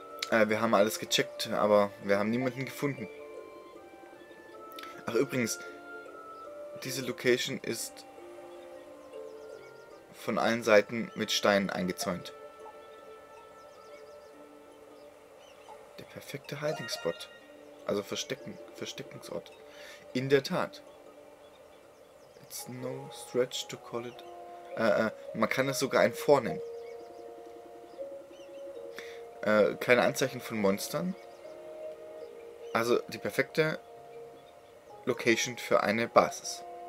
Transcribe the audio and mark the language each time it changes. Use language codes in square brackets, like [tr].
[de] Wir haben alles gecheckt, aber wir haben niemanden gefunden. Ach übrigens, diese Location ist von allen Seiten mit Steinen eingezäunt. Der perfekte [en] Hiding Spot. [de] Also Versteckungsort. In der Tat. [en] It's no stretch to call it. [de] Man kann es sogar ein Fort nennen. Keine Anzeichen von Monstern. Also die perfekte Location für eine Basis.